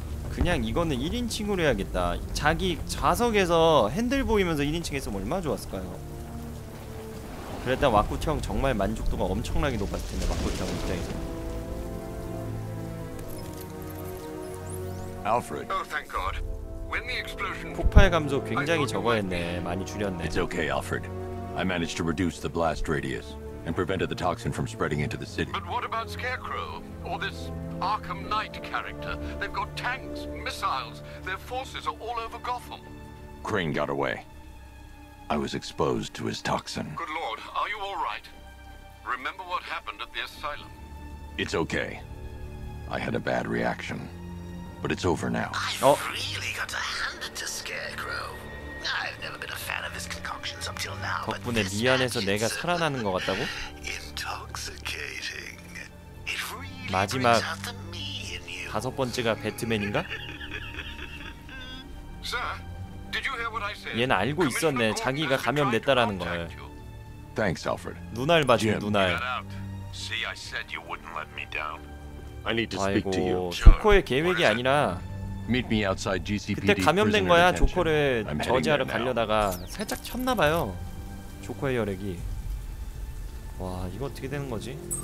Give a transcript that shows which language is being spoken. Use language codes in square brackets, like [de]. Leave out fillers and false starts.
[ko] 그냥 이거는 1인칭으로 해야겠다. 자기 좌석에서 핸들 보이면서 1인칭 했으면 얼마나 좋았을까요? 그랬다 와쿠티형 정말 만족도가 엄청나게 높았을텐데. 와쿠티형 입장에서 [en] Alfred. Oh, thank God. [ko] 폭발 감소 굉장히 적어했네. 많이 줄였네. [en] It's okay, Alfred. I managed to reduce the blast radius and prevented the toxin from spreading into the city. But what about Scarecrow or this Arkham Knight character? They've got tanks, missiles. Their forces are all over Gotham. Crane got away. I was exposed to his toxin. Good Lord, are you all right? Remember what happened at the asylum? It's okay. I had a bad reaction. But it's over now. I've really got to hand it to Scarecrow. I've never been a fan of his concoctions up till now. [ko] 덕분에 미안해서 내가 살아나는 것 같다고? [en] Intoxicating. [ko] 마지막 다섯 번째가 배트맨인가? [en] Sir, did you hear what I said? [ko] 얘는 알고 있었네. 자기가 감염됐다라는 걸. [en] Thanks, Alfred. [ko] 눈알 맞은 눈알. [en] See, I said you wouldn't let me down. I need to speak to you. [ko] 아이고, 조커의 계획이 아니라 [en] Meet me outside GCPD. [ko] 그때 감염된 거야. 조커를 저지하러 가려다가 살짝 쳤나 봐요. 조커의 혈액이. 와, 이거 어떻게 되는 거지?